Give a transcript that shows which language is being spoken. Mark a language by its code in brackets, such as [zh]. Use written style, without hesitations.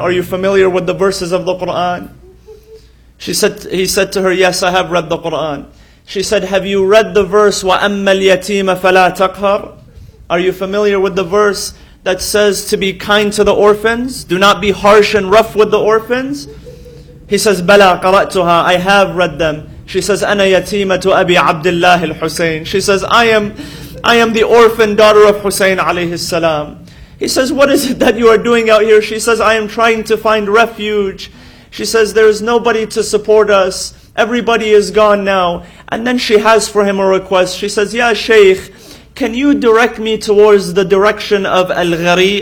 [en] Are you familiar with the verses of the Quran? He said to her, yes, I have read the Quran. She said, have you read the verse, [ar] وَأَمَّا الْيَتِيمَ فَلَا تَقْهَرْ? [en] Are you familiar with the verse that says to be kind to the orphans? Do not be harsh and rough with the orphans? He says, [ar] بَلَا قَرَأْتُهَا, [en] I have read them. She says, [ar] أَنَا يَتِيمَةُ أَبِي عَبْدِ اللَّهِ الْحُسَيْنِ. [en] She says, I am the orphan daughter of Hussein alayhi salam. He says, what is it that you are doing out here? She says, I am trying to find refuge. She says, there is nobody to support us. Everybody is gone now. And then she has for him a request. She says, Ya Shaykh, can you direct me towards the direction of Al-Ghari?